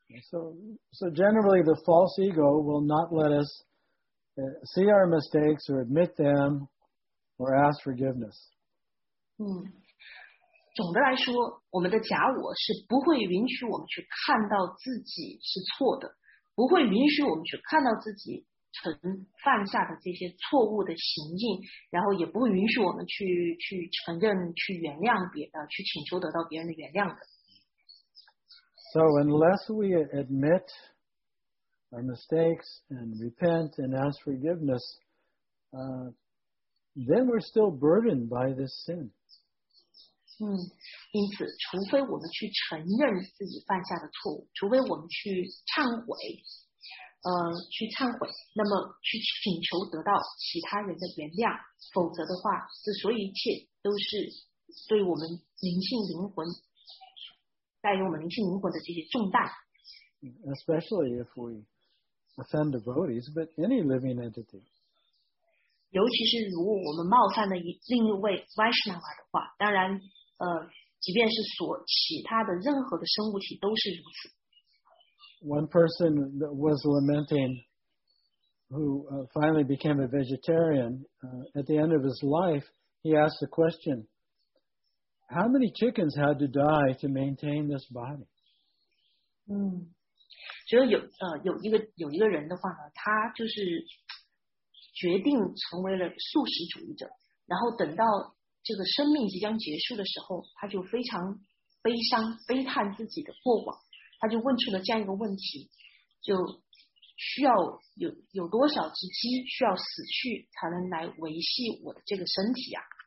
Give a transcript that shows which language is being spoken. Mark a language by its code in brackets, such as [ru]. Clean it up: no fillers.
[en] So generally, the false ego will not let us see our mistakes or admit them or ask forgiveness. [zh] 总的来说，我们的假我是不会允许我们去看到自己是错的。不会允许我们去看到自己曾犯下的这些错误的行径，然后也不会允许我们去承认、去原谅别的、去请求得到别人的原谅的。 [en] So unless we admit our mistakes and repent and ask forgiveness, then we're still burdened by this sin. [zh] 因此除非我们去承认自己犯下的错误，除非我们去忏悔那么去请求得到其他人的原谅，否则的话，这所有一切都是对我们灵性灵魂带给我们灵性灵魂的这些重担。 [en] Especially if we offend devotees, but any living entity. [zh] 尤其是如果我们冒犯了另一位 Vaishnava 的话，当然即便是所其他的任何的生物体都是如此。 [en] One person that was lamenting, who finally became a vegetarian, at the end of his life, he asked the question, how many chickens had to die to maintain this body? [zh] 就有一个人的话呢，他就是决定成为了素食主义者，然后等到这个生命即将结束的时候，他就非常悲伤，悲叹自己的过往，他就问出了这样一个问题，就需要 有多少只鸡需要死去才能来维系我的这个身体啊。